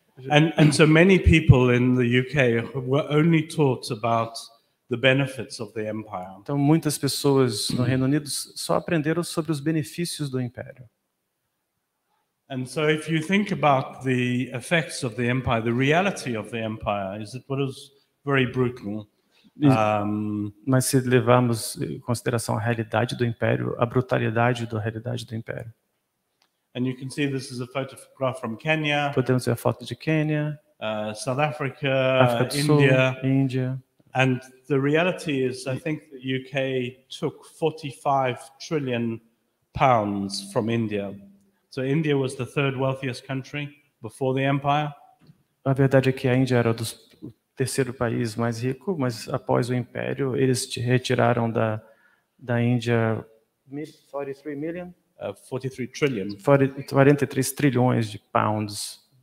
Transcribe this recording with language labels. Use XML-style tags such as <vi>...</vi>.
<en>And so many people in the UK were only taught about the benefits of the empire.</en> <pt>Então muitas pessoas no Reino Unido só aprenderam sobre os benefícios do império.</pt> <en>And so if you think about the effects of the empire, the reality of the empire is it was very brutal.</en> <pt>Mas se levarmos em consideração a realidade do império, a brutalidade da realidade do império.</pt> <en>And you can see this is a photograph from Kenya.</en> <pt>Podemos ver a foto de Quênia,</pt> <en>South Africa, África</en> <pt>do Sul, Índia.</pt> <en>And the reality is, I think the UK took 45 trillion pounds from India. So India was the third wealthiest country before the empire.</en> <pt>A verdade é que a Índia era dos terceiro país mais rico, mas após o império, eles te retiraram da Índia 43 trilhões de pounds.</pt>